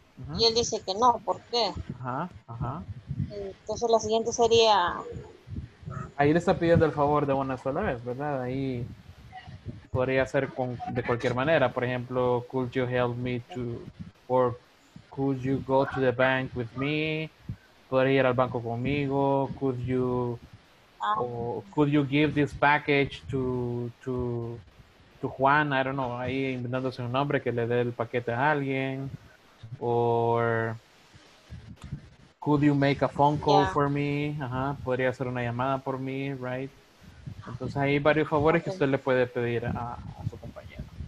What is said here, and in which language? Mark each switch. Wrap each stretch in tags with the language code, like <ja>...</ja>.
<es>Ajá. Y él dice que no, ¿por qué? Ajá, ajá. Entonces la siguiente sería. Ahí le está pidiendo el favor de una sola vez, ¿verdad? Ahí podría ser con, de cualquier manera. Por ejemplo,</es> <en>could you help me to, or could you go to the bank with me?</en> <es>Podría ir al banco conmigo.</es> <en>Could you, or could you give this package to Juan? I don't know.</en> <es>Ahí inventándose un nombre que le dé el paquete a alguien.</es> <en>Or could you make a phone call for me?</en> <es>Ajá, podría hacer una llamada por mí, right? Entonces hay varios favores que usted le puede pedir a su compañero.</es>